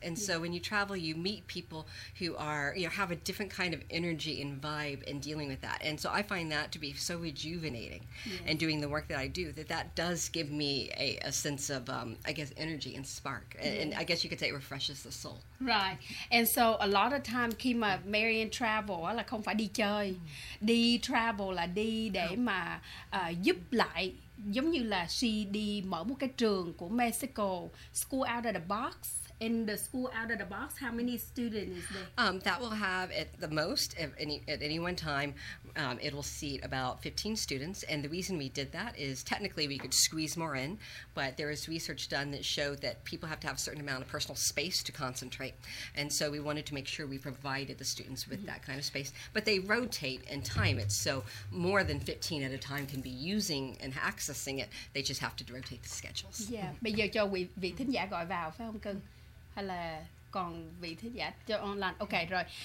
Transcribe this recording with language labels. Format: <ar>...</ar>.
<en>And so when you travel, you meet people who are, you know, have a different kind of energy and vibe in dealing with that. And so I find that to be so rejuvenating. Yes. And doing the work that I do, that does give me a sense of, I guess, energy and spark. Yes. And I guess you could say it refreshes the soul. Right. And so a lot of time</en> <vi>khi mà Marianne travel là không phải đi chơi. Đi travel là đi để mà giúp lại, giống như là she đi mở một cái trường của Mexico, School Out of the Box.</vi> <en>in the school out of the box, how many students is there? That will have, at the most, at any one time, it will seat about 15 students. And the reason we did that is technically we could squeeze more in, but there is research done that showed that people have to have a certain amount of personal space to concentrate. And so we wanted to make sure we provided the students with mm-hmm. that kind of space. But they rotate and time it, so more than 15 at a time can be using and accessing it. They just have to rotate the schedules. Yeah.</en> <vi>Bây giờ cho vị thính giả gọi vào, phải không cưng? Hay là còn vị thính giả cho online? Ok, rồi.</vi>